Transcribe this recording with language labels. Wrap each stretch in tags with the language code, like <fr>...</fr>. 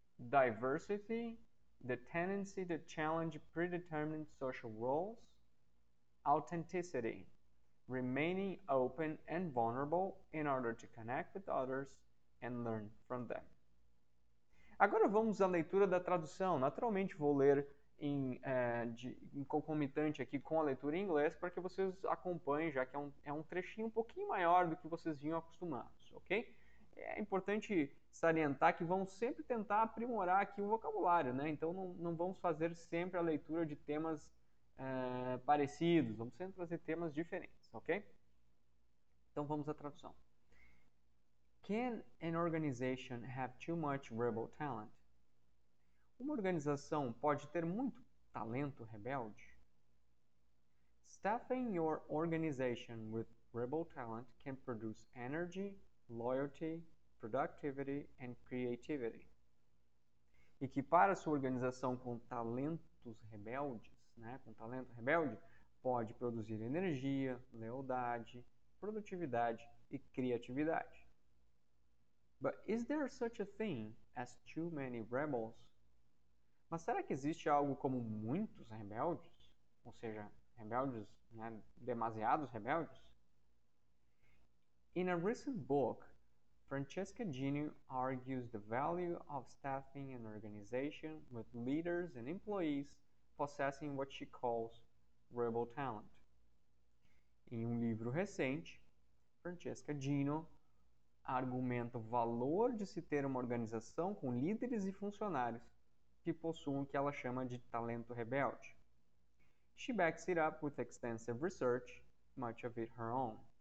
<en>diversity, the tendency to challenge predetermined social roles, authenticity, remaining open and vulnerable in order to connect with others and learn from them.</en> <pt>Agora vamos à leitura da tradução. Naturalmente vou ler em concomitante aqui com a leitura em inglês para que vocês acompanhem, já que é um trechinho um pouquinho maior do que vocês vinham acostumados, ok? É importante salientar que vamos sempre tentar aprimorar aqui o vocabulário, né? Então não vamos fazer sempre a leitura de temas parecidos, vamos sempre trazer temas diferentes, ok? Então vamos à tradução.</pt> <en>Can an organization have too much rebel talent?</en> <pt>Uma organização pode ter muito talento rebelde?</pt> <en>Staffing your organization with rebel talent can produce energy, loyalty, productivity, and creativity.</en> <pt>Equipar a sua organização com talentos rebeldes, né? Com talento rebelde, pode produzir energia, lealdade, produtividade e criatividade.</pt> <en>But is there such a thing as too many rebels?</en> <pt>Mas será que existe algo como muitos rebeldes? Ou seja, rebeldes, né? Demasiados rebeldes?</pt> <en>In a recent book, Francesca Gino argues the value of staffing an organization with leaders and employees possessing what she calls rebel talent.</en> <pt>Em um livro recente, Francesca Gino argumenta o valor de se ter uma organização com líderes e funcionários que possuem o que ela chama de talento rebelde.</pt> <en>She backs it up with extensive research, much of it her own.</en>